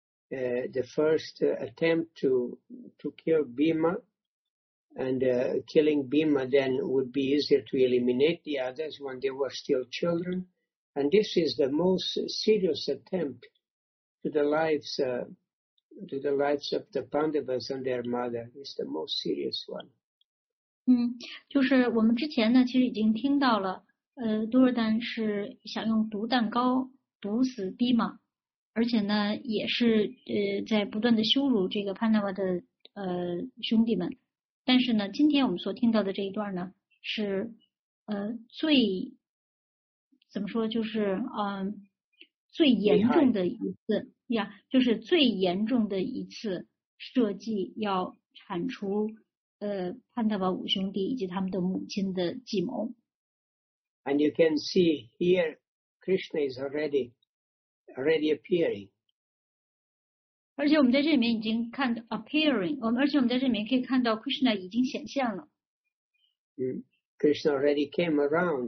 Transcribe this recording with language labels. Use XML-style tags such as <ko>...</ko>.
<en>The first attempt to kill Bhima, and killing Bhima then would be easier to eliminate the others when they were still children. And this is the most serious attempt to the lives of the Pandavas and their mother. It's the most serious one.</en> <zh>就是我们之前呢，其实已经听到了。杜若丹是想用毒蛋糕毒死逼马，而且呢也是在不断的羞辱这个潘纳瓦的兄弟们。但是呢今天我们所听到的这一段呢是最怎么说，就是最严重的一次呀，就是最严重的一次设计要铲除潘纳瓦五兄弟以及他们的母亲的计谋。</zh> <en>And you can see here, Krishna is already appearing.</en> <zh>而且我们在这里面已经看到</zh> <en>appearing.</en> <zh>而且我们在这里面可以看到 Krishna 已经显现了。</zh> <en>Krishna already came around.</en>